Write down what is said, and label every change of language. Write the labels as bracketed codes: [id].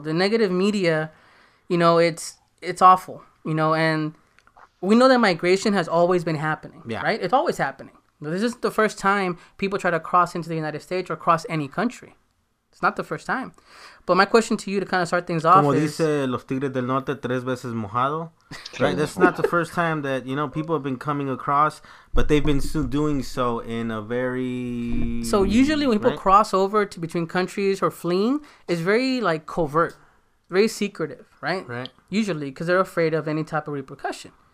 [en] The negative media, you know, it's awful, you know, and we know that migration has always been happening, yeah. Right? It's always happening. This isn't the first time people try to cross into the United States or cross any country. It's not the first time. But my question to you to kind of start things off [es] is... Como dice los Tigres del Norte, tres veces mojado. [en] Right? That's not the first time that, you know, people have been coming across, but they've been doing so in a very... So usually when people cross over to between countries or fleeing, it's very, like, covert. Very secretive, right? Right. Usually, because they're afraid of any type of repercussion.